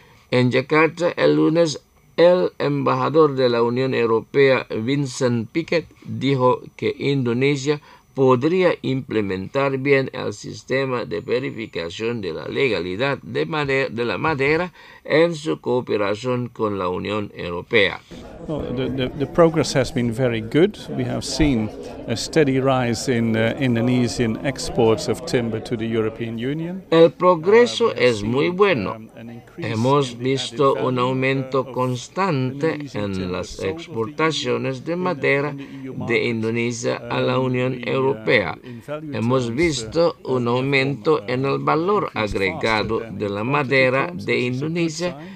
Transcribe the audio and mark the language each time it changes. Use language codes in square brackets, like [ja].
[es] en Yakarta el lunes, el embajador de la Unión Europea, Vincent Piquet, dijo que Indonesia podría implementar bien el sistema de verificación de la legalidad de la madera en su cooperación con la Unión Europea. [en] Well, the progress has been very good. We have seen a steady rise in Indonesian exports of timber to the European Union. [es] El progreso es muy bueno. Hemos visto un aumento constante en las exportaciones de madera de Indonesia a la Unión Europea. Hemos visto un aumento en el valor agregado de la madera de Indonesia